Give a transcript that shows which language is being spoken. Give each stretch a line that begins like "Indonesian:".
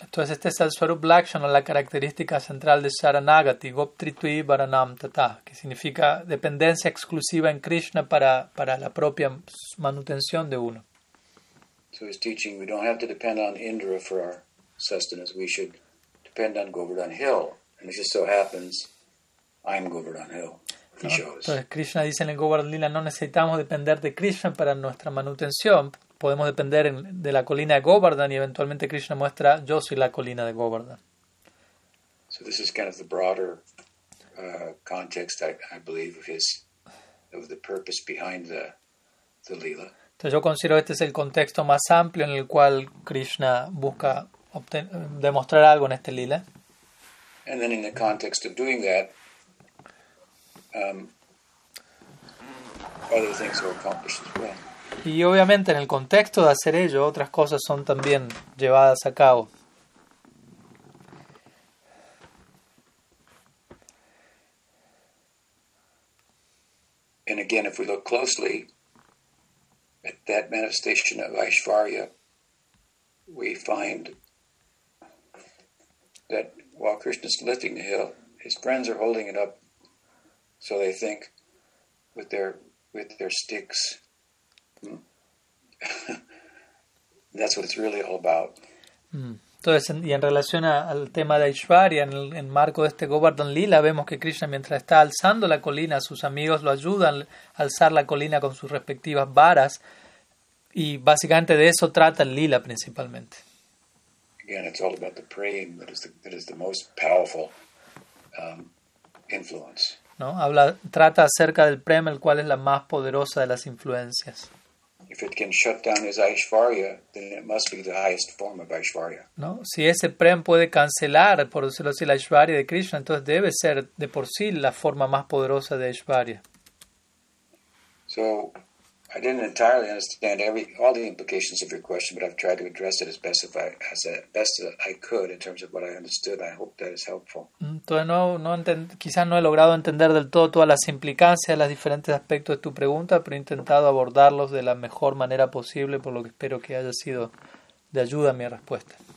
Spanish: Entonces este es el Swarup Lakshana, la característica central de Saranagati,
Sanskrit: Goptritui Varanam Tata,
Spanish: que significa dependencia exclusiva en Krishna para la propia manutención de uno.
English: So he's teaching we don't have to depend on Indra for our sustenance, we should depend on Govardhan Hill. And it just so happens, I'm Govardhan Hill.
Spanish: Entonces Krishna dice en el Govardhan Lila, no necesitamos depender de Krishna para nuestra manutención, podemos depender de la colina de Govardhan y eventualmente Krishna muestra, yo soy la colina de Govardhan.
English: So this is kind of the broader context, I believe, of his, of the purpose behind the Lila.
Spanish: Entonces yo considero este es el contexto más amplio en el cual Krishna busca demostrar algo en este Lila.
English: And then in the context of doing that, other things are accomplished as well.
Spanish: Y obviamente en el contexto de hacer ello, otras cosas son también llevadas a cabo.
English: And again, if we look closely at that manifestation of Aishwarya, we find that while Krishna's lifting the hill, his friends are holding it up, so they think, with their sticks. That's what it's really all about.
Spanish: Entonces, y en relación al tema de Aishwarya, en el marco de este Govardhan Lila, vemos que Krishna, mientras está alzando la colina, sus amigos lo ayudan a alzar la colina con sus respectivas varas, y básicamente de eso trata el Lila principalmente.
English: Again, it's all about the praying that is the most powerful influence.
Spanish: ¿No? Trata acerca del prema, el cual es la más poderosa de las influencias.
English: If it can shut down his Aishwarya, then it must be the highest form of Aishwarya.
Spanish: No, si ese prem puede cancelar, por decirlo así, la Aishwarya de Krishna, entonces debe ser de por sí la forma más poderosa de Aishwarya.
English: So, I didn't entirely understand all the implications of your question, but I've tried to address it as best as I could in terms of what I understood. I hope that is helpful.
Spanish: Entonces quizás no he logrado entender del todo todas las implicancias, los diferentes aspectos de tu pregunta, pero he intentado abordarlos de la mejor manera posible, por lo que espero que haya sido de ayuda a mi respuesta.